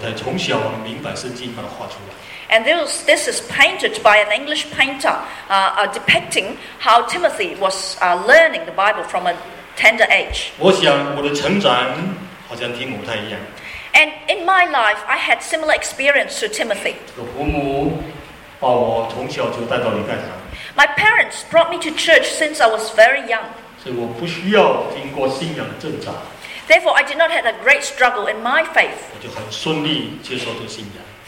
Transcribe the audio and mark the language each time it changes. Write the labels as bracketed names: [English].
[Chinese] 这个是英国的画家把提摩太从小明白圣经把它画出来。 [English] And this is painted by an English painter, depicting how Timothy was learning the Bible from a tender age. [Chinese] 我想我的成长好像提摩太一样。 [English] And in my life, I had similar experience to Timothy. [Chinese] 这个父母把我从小就带到礼拜堂。 [English] My parents brought me to church since I was very young. [Chinese] 所以我不需要经过信仰的挣扎。 [English] Therefore, I did not have a great struggle in my faith. [Chinese] 我就很顺利接受这个信仰。